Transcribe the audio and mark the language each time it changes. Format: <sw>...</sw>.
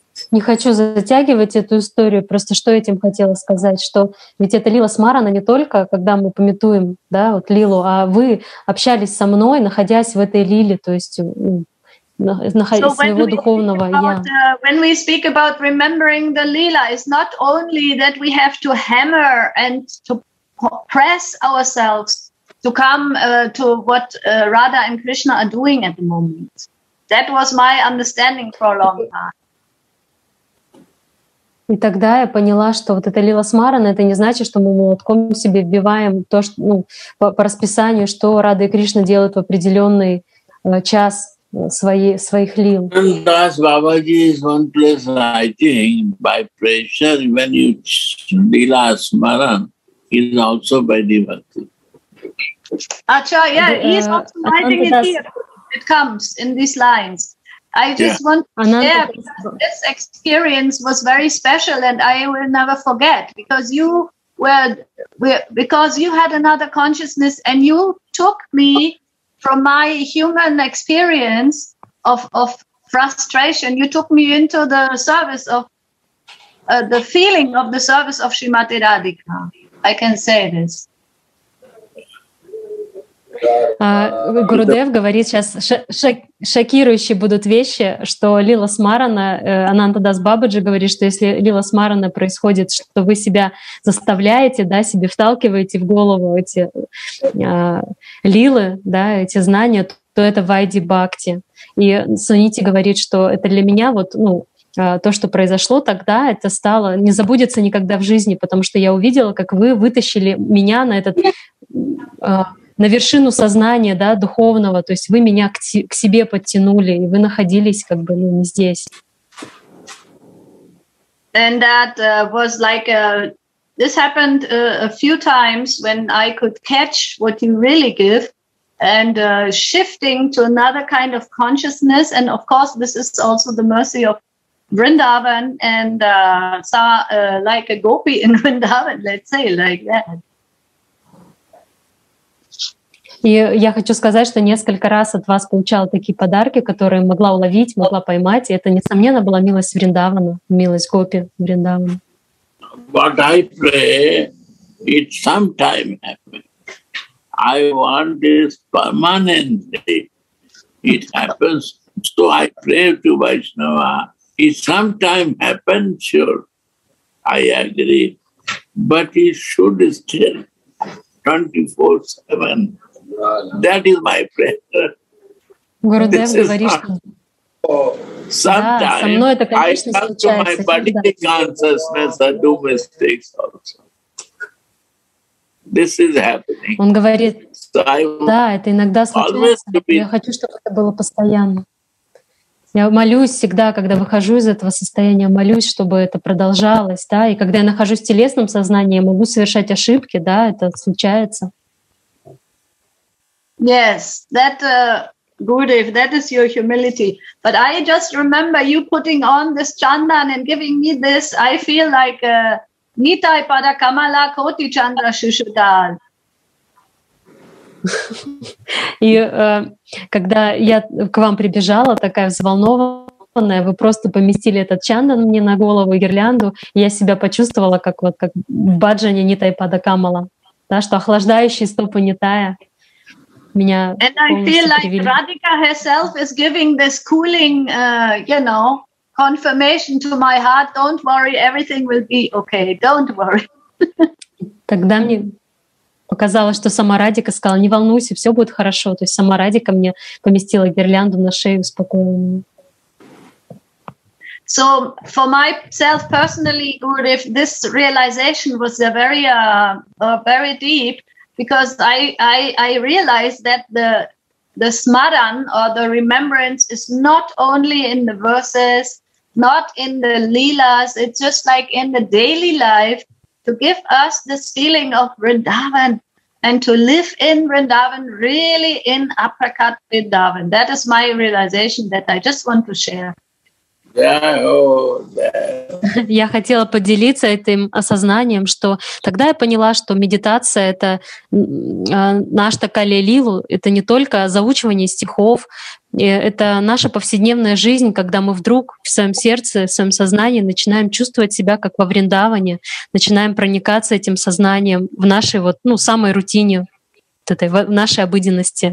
<ru>Не хочу затягивать эту историю, просто что этим хотела сказать, что ведь это Лила Смарана не только, когда мы памятуем, да, вот Лилу, а вы общались со мной, находясь в этой Лиле, то есть находясь</ru> <en>so</en> <ru>своего духовного</ru> <en>about,</en> <ru>я.</ru> <en>When we speak about remembering the Lila, it's not only that we have to hammer and to press ourselves to come to what Radha and Krishna are doing at the moment. That was my understanding for a long time.</en> <ru>И тогда я поняла, что вот эта Лила Смарана, это не значит, что мы молотком себе вбиваем то, что, ну, по расписанию, что Рада и Кришна делают в определенный час своих лил.</ru> <en>Das Babaji is one place writing by pressure, when you Lila Smaran is also by devotee. Acha, yeah, he is also writing it here. It comes in these lines. I just want to share, because this experience was very special and I will never forget, because you were, because you had another consciousness and you took me from my human experience of frustration, you took me into the service of, the feeling of the service of Srimati Radhika. I can say this.</en> <ru>Гурудев говорит сейчас, шокирующие будут вещи, что Лила Смарана, Анандадас Бабаджи говорит, что если Лила Смарана происходит, что вы себя заставляете, да, себе вталкиваете в голову эти лилы, да, эти знания, то это Вайди Бхакти. И Сунити говорит, что это для меня вот, ну, то, что произошло тогда, это стало, не забудется никогда в жизни, потому что я увидела, как вы вытащили меня на этот... на вершину сознания, да, духовного, то есть вы меня к себе подтянули, и вы находились как бы, ну, не здесь.</ru> <en>And that was like a, this happened a few times when I could catch what you really give and shifting to another kind of consciousness, and of course this is also the mercy of Vrindavan and like a gopi in Vrindavan, let's say like that.</en> <ru>И я хочу сказать, что несколько раз от вас получала такие подарки, которые могла уловить, могла поймать. И это, несомненно, была милость Вриндавана, милость Гопи Вриндавана.</ru> <en>But I pray it sometime happens. I want this permanently. It happens. So I pray to Vaishnava. It sometime happens, sure. I agree. But it should still 24/7. That is my prayer.</en> <ru>Гурудев говорит, что</ru> <en>sometimes</en> <ru>да, со мной это, конечно,</ru> <en>I come to my bodily consciousness and do mistakes also. This is happening.</en> <ru>Он говорит, да, это иногда случается. Я хочу, чтобы это было постоянно. Я молюсь всегда, когда выхожу из этого состояния, молюсь, чтобы это продолжалось, да. И когда я нахожусь в телесном сознании, я могу совершать ошибки, да, это случается.</ru> <en>Yes, that Gurudev, that is your humility. But I just remember you putting on this chandan and giving me this. I feel like Nitai Pada Kamala Koti Chandra Shushutal.</en> <ru>И когда я к вам прибежала, такая взволнованная, вы просто поместили этот чандан мне на голову, гирлянду, я себя почувствовала как вот как баджане Нитай Пада Камала, да, что охлаждающие стопы Нитая. Меня</ru> <en>and I feel like</en> <ru>привили.</ru> <en>Radhika herself is giving this cooling, you know, confirmation to my heart. Don't worry, everything will be okay. Don't worry.</en> <ru>Тогда мне показалось, что сама Радика сказала: не волнуйся, все будет хорошо. То есть сама Радика мне поместила гирлянду на шею, успокоила меня.</ru> <en>So for myself personally, Gurudev, this realization was a very, very deep. Because I realize that the smaran or the remembrance is not only in the verses, not in the lilas, it's just like in the daily life to give us this feeling of Vrindavan, and to live in Vrindavan, really in Aprakat Vrindavan. That is my realization that I just want to share.</en> <ru>Я хотела поделиться этим осознанием, что тогда я поняла, что медитация — это наш такая лилу, это не только заучивание стихов, это наша повседневная жизнь, когда мы вдруг в своем сердце, в своем сознании начинаем чувствовать себя как во Вриндаване, начинаем проникаться этим сознанием в нашей вот, ну, самой рутине, вот этой, в нашей обыденности.</ru>